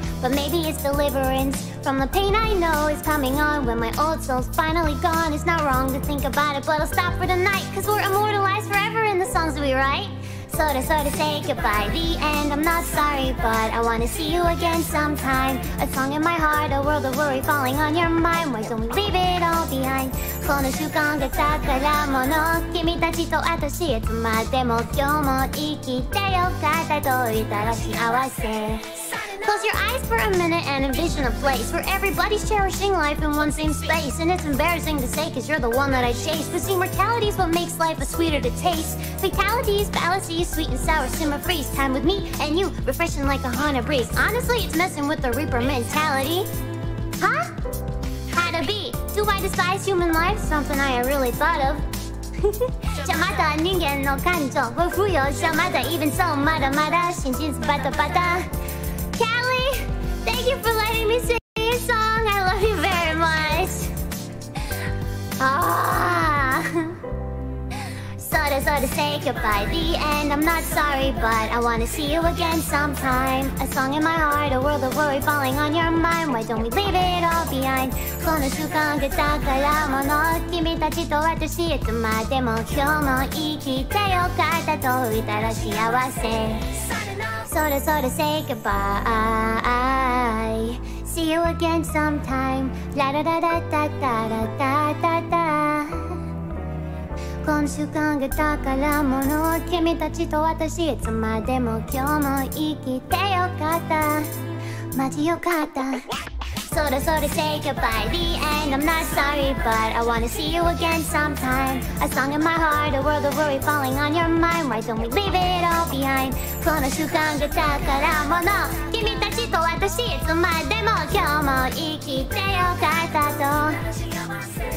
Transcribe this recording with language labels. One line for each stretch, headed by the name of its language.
English: But maybe it's deliverance from the pain I know is coming on when my old soul's finally gone. It's not wrong to think about it, but I'll stop for tonight, cause we're immortalized forever in the songs we write. Sort of say goodbye, the end. I'm not sorry, but I wanna see you again sometime. A song in my heart, a world of worry falling on your mind. Why don't we leave it all behind?
Japanese: この瞬間が宝物、君たちと私いつまでも今日も生きてよかったと言ったら幸せ。
English: Close your eyes for a minute and envision a place where everybody's cherishing life in one same space. And it's embarrassing to say, cause you're the one that I chase. But see, mortality is what makes life a sweeter to taste. Fatalities, fallacies, sweet and sour, simmer, freeze. Time with me and you, refreshing like a haunted breeze. Honestly, it's messing with the Reaper mentality. Huh? How to be? Do I despise human life? Something I have really thought of.
Japanese: じゃまた人間の感情は不要じゃまだ
English: even so
Japanese: まだまだ心身バタバタ。
English: Callie, thank you for letting me sing your song. I love you very much. Ah. Sort of say goodbye, the end. I'm not sorry, but I wanna see you again sometime. A song in my heart, a world of worry falling on your mind. Why don't we leave it all behind?
Japanese: この瞬間が宝物、君たちと私いつまでも今日も生きてよかったと言ったら幸せ。
English: Sort of say goodbye. See you again sometime. La da da da da da da da da da.
Japanese: この瞬間が宝物、君たちと私いつまでも今日も生きてよかった。マジよかった。
English: Sort of say goodbye, the end. I'm not sorry, but I wanna see you again sometime. A song in my heart, a world of worry falling on your mind. Why don't we leave it all behind?
Japanese: この瞬間が宝物、君たちと私いつまでも今日も生きてよかったと。